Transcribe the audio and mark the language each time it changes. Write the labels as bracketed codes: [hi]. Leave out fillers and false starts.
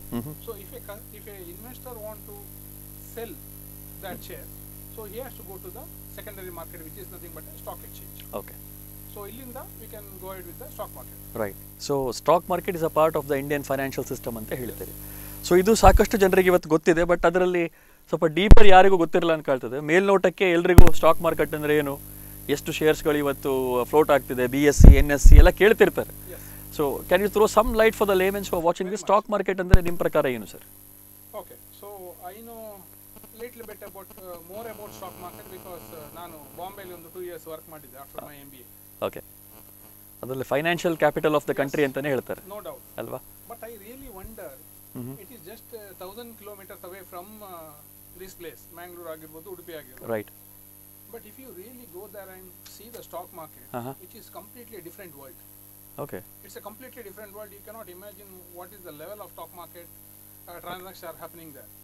[en] mm-hmm, so if a investor want to sell that, mm-hmm, share, so he has to go to the secondary market, which is nothing but a stock exchange. Okay. So [kn] illinda [en] we can go ahead with the stock market. Right. So stock market is a part of the Indian financial system [kn] ante helutare. So ಇದು ಸಾಕಷ್ಟು ಜನರಿಗೆ ಇವತ್ತು ಗೊತ್ತಿದೆ, but ಅದರಲ್ಲಿ ಸ್ವಲ್ಪ deeper ಯಾರಿಗೂ ಗೊತ್ತಿರಲ್ಲ ಅನ್ಕಾಳ್ತದೆ. ಮೇಲ್ನೋಟಕ್ಕೆ ಎಲ್ರಿಗೂ ಸ್ಟಾಕ್ ಮಾರ್ಕೆಟ್ ಅಂದರೆ ಏನು, ಎಷ್ಟು ಶೇರ್ಸ್ಗಳು ಇವತ್ತು ಫ್ಲೋಟ್ ಆಗ್ತಿದೆ, BSE NSE ಎಲ್ಲ ಕೇಳ್ತಿರ್ತಾರೆ. [en] So can you throw some light for the laymen's for watching this? [kn] Stock market ಅಂದರೆ ನಿಮ್ಮ ಪ್ರಕಾರ ಏನು sir? [en] okay, so I know little bit about more about stock market, because [kn] ನಾನು ಬಾಂಬೆಲಿ ಒಂದು 2 ಇಯರ್ಸ್ ವರ್ಕ್ ಮಾಡಿದ್ದೆ [en] After my MBA. Okay. [kn] ಅದರಲ್ಲಿ financial capital of the country ಅಂತಲೇ ಹೇಳ್ತಾರೆ. [en] no doubt [kn] ಅಲ್ವಾ? [en] but I really wonder, it is just 1000 kilometers away from this place, [kn] Mangalore agirbodu, Udupi agirbodu, [en] right? But if you really go there and see the stock market, uh-huh, it is completely a different world. Okay. It's a completely different world. You cannot imagine what is the level of stock market transactions are happening there.